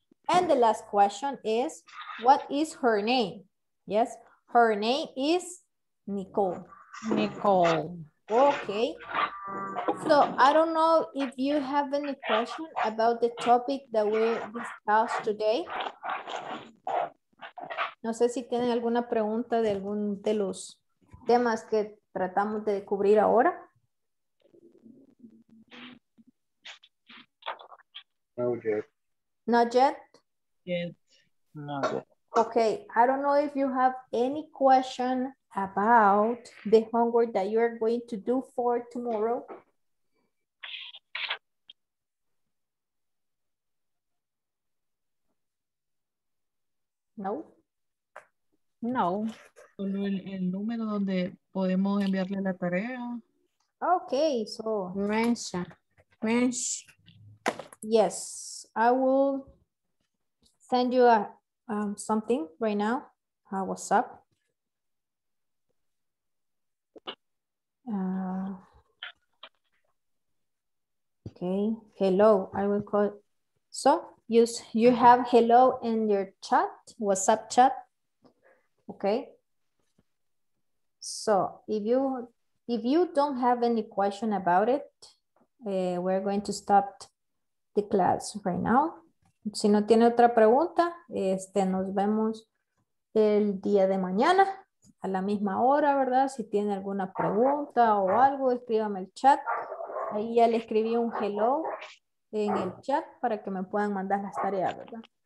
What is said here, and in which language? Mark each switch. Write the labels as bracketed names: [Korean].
[English] And the last question is, what is her name? Yes, her name is Nicole. Nicole. Okay. So I don't know if you have any question about the topic that we discussed today. [Spanish] No sé si tienen alguna pregunta de algún de los temas que tratamos de cubrir ahora. [English] Not yet. Not yet? Yes. Okay. I don't know if you have any question about the homework that you are going to do for tomorrow. No? No. [Spanish] Solo el número donde podemos enviarle la tarea. [English] Okay, so. Mention. Yes, I will send you a something right now. What's up? Okay, hello. I will call. So you have hello in your chat, WhatsApp chat. Okay. So if you don't have any question about it, we're going to stop the class right now. [Spanish] Si no tiene otra pregunta, nos vemos el día de mañana a la misma hora, ¿verdad? Si tiene alguna pregunta o algo, escríbame el chat. Ahí ya le escribí un hello en el chat para que me puedan mandar las tareas, ¿verdad?